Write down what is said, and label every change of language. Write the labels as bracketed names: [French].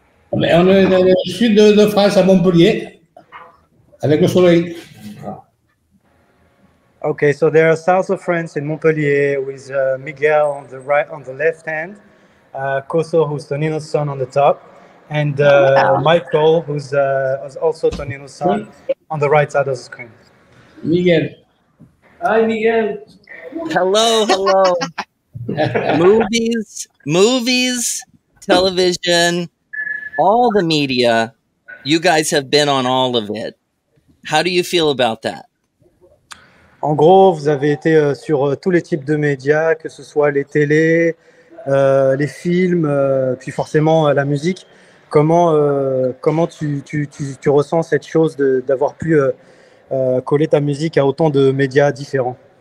[French] On est dans le sud de France, à Montpellier, avec le soleil. [English] Okay, so they are south of France in Montpellier with Miguel on the right, on the left hand, Koso, who's Tonino's son, on the top, and Michael, who's also Tonino's son, on the right side of the screen. Miguel. Hi, Miguel. Hello. movies. Television, all the media, you guys have been on all of it. How do you feel about that? [French] En gros, vous avez été sur tous les types de médias, que ce soit les télés, les films, puis forcément la musique. Comment tu ressens cette chose d'avoir pu coller ta musique à autant de médias différents?